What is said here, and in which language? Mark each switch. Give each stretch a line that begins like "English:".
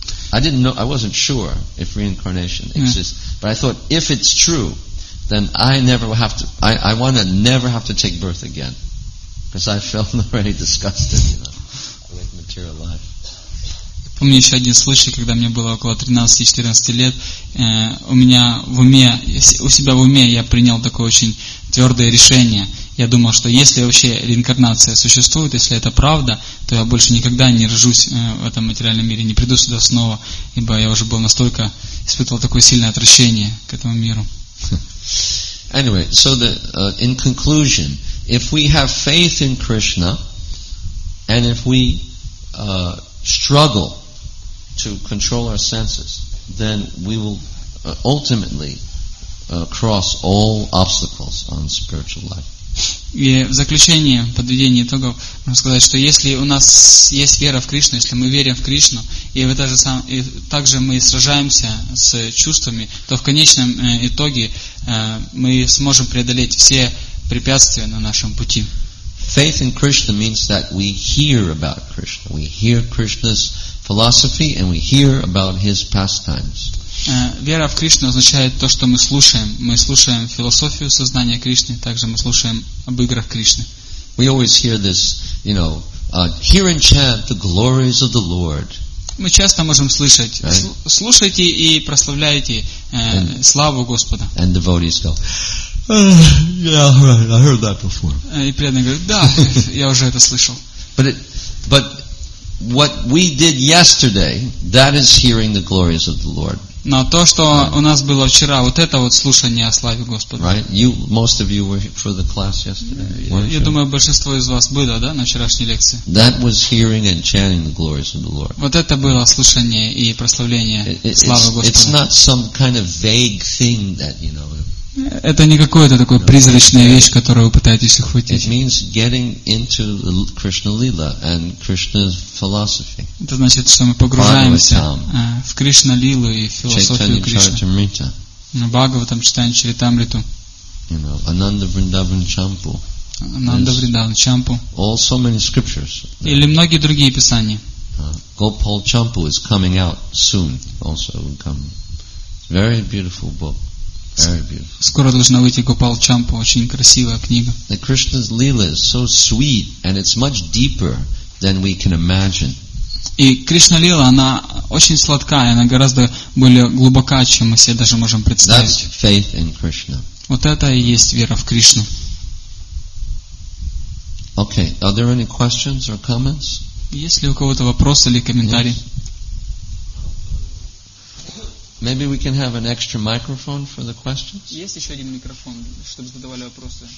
English: I didn't know. I wasn't sure if reincarnation exists, but I thought if it's true, then I never have to. I want to never have to take birth again, because I felt already disgusted, you know, with material life.
Russian: Помню еще один случай, когда мне было около 13-14 лет. У меня в уме, у себя в уме я принял такое очень твердое решение. Я думал, что если вообще реинкарнация существует, если это правда, то я больше никогда не рожусь в этом материальном мире, не приду сюда снова, ибо я уже был настолько, испытывал такое сильное отвращение к этому миру.
English: Anyway, so in conclusion, if we have faith in Krishna, and if we struggle to control our senses, then we will ultimately cross all obstacles on spiritual life.
Russian: И в заключение, подведение итогов, можно сказать, что если у нас есть вера в Кришну, если мы верим в Кришну, и также мы сражаемся с чувствами, то в конечном итоге мы сможем преодолеть все препятствия на нашем пути.
English: Faith in Krishna means that we hear about Krishna. We hear Krishna's philosophy and we hear about his pastimes.
Russian: Вера в Кришну означает то, что мы слушаем. Мы слушаем философию сознания Кришны, также мы слушаем об играх Кришны.
English: We always hear this, you know, hear and chant the glories of the Lord.
Russian: Мы часто можем слышать, right? Слушайте и прославляйте славу Господа.
English: And devotees go, yeah, right, I heard that before.
Russian: И преданные говорят, да, я уже это слышал.
English: But what we did yesterday, that is hearing the glories of the Lord.
Russian: Но то, что у нас было вчера, вот это вот слушание о славе Господа.
English: Right? Most of you were for the class yesterday.
Russian: Я думаю, большинство из вас было, да, на вчерашней лекции.
English: That was hearing and chanting the glories of the Lord.
Russian: Вот это было слушание и прославление славы Господа.
English: It's not some kind of vague thing that, you know.
Russian: Это не какое-то такое призрачная вещь, которую вы пытаетесь ухватить.
English: It means getting into the Krishna Lila and Krishna's philosophy.
Russian: Это значит, что мы погружаемся в Кришна Лилу и философию Кришны. Бхагаватам читаем Чаритамриту.
English: You know, Ананда Вриндаван Чампу.
Russian: Ананда Вриндаван Чампу.
English: All so many scriptures.
Russian: Или многие другие писания.
English: Gopal Champu is coming out soon. Also, will come. Very beautiful book. Very beautiful.
Russian: Скоро должна выйти Гопал Чампа, очень красивая книга.
English: The Krishna's Lila is so sweet and it's much deeper than we can imagine.
Russian: И Кришна Лила, она очень сладкая, она гораздо более глубока, чем мы себе даже можем представить.
English: That's faith in Krishna.
Russian: Вот это и есть вера в Кришну.
English: Okay, are there any questions or comments?
Russian: Есть ли у кого-то вопросы или комментарии?
English: Yes. Maybe we can have an extra microphone for the questions?
Russian: Есть еще один микрофон, чтобы задавали вопросы.